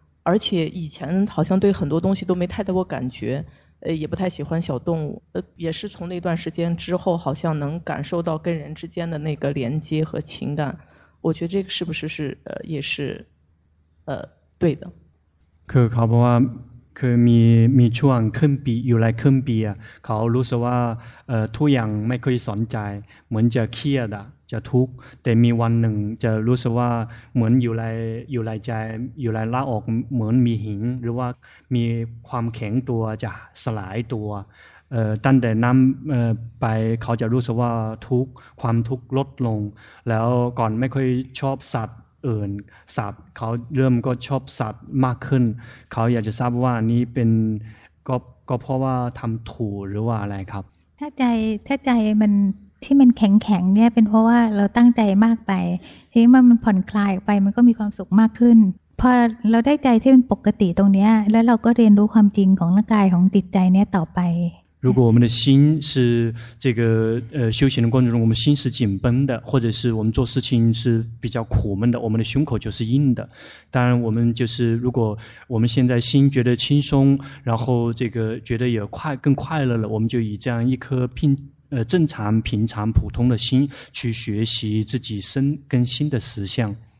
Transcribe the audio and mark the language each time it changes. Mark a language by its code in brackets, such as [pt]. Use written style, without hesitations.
[zh] 而且以前好像对很多东西都没太多感觉也不太喜欢小动物也是从那段时间之后好像能感受到跟人之间的那个连接和情感我觉得这个是不是是也是对的 [th] คือเขาบอกว่าคือมีช่วงขึ้นปีอยู่หลายขึ้นปีเขารู้สึกว่าทุกอย่างไม่เคยสนใจเหมือนจะเครียดจะทุกข์แต่มีวันหนึ่งจะรู้สึกว่าเหมือนอยู่หลายใจอยู่หลายละออกเหมือนมีหินหรือว่ามีความแข็งตัวจะสลายตัว ตั้งแต่นั้นไปเขาจะรู้สึกว่าทุกข์ความทุกข์ลดลงแล้วก่อนไม่ค่อยชอบสัตว์อื่นสัตว์เขาเริ่มก็ชอบสัตว์มากขึ้นเขาอยากจะทราบว่านี้เป็นก็เพราะว่าทำถูกหรือว่าอะไรครับ ถ้าใจมันที่มันแข็งๆเนี่ยเป็นเพราะว่าเราตั้งใจมากไปทีนี้มันผ่อนคลายออกไปมันก็มีความสุขมากขึ้นพอเราได้ใจที่มันปกติตรงเนี้ยแล้วเราก็เรียนรู้ความจริงของร่างกายของจิตใจเนี่ยต่อไป [zh] 如果我们的心是这个修行的过程中，我们心是紧绷的，或者是我们做事情是比较苦闷的，我们的胸口就是硬的。当然，我们就是如果我们现在心觉得轻松，然后这个觉得也更快乐了，我们就以这样一颗正常、平常、普通的心去学习自己身跟心的实相。